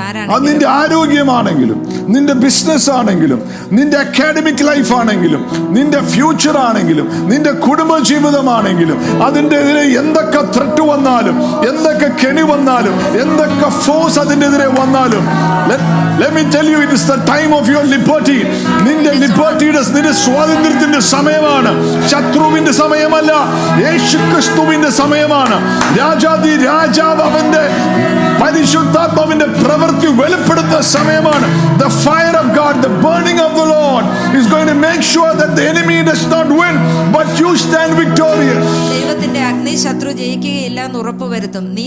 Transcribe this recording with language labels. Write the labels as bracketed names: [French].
[Malayalam] ആരാണ്, നിന്റെ ആരോഗ്യമാണെങ്കിലും നിന്റെ ബിസിനസ് ആണെങ്കിലും നിന്റെ അക്കാഡമിക് ലൈഫ് ആണെങ്കിലും നിന്റെ ഫ്യൂച്ചർ ആണെങ്കിലും നിന്റെ കുടുംബജീവിതമാണെങ്കിലും അതിന്റെ എതിരെ എന്തൊക്കെ ത്രെട്ട് വന്നാലും എന്തൊക്കെ കെണി വന്നാലും എന്തൊക്കെ ഫോഴ്സ് അതിന്റെ എതിരെ വന്നാലും [English] Let me tell you, it is the time of your liberty. [Malayalam] നിന്റെ ലിബർട്ടിയുടെ നിന്റെ സ്വാതന്ത്ര്യത്തിന്റെ സമയമാണ്. ശത്രുവിന്റെ സമയമല്ല, യേശുക്രിസ്തുവിന്റെ സമയമാണ്. രാജാദി രാജാവ് അവന്റെ പരിശുദ്ധാത്മാവിന്റെ പ്രവൃത്തി വെളിപ്പെടുത്തുന്ന സമയമാണ്. [English] The fire of God, the burning of the Lord is going to make sure that the enemy does not win, but you stand victorious. [Malayalam] ദൈവത്തിന്റെ അഗ്നി ശത്രു ജയിക്കുകയില്ല എന്ന് ഉറപ്പ് വരുത്തും, നീ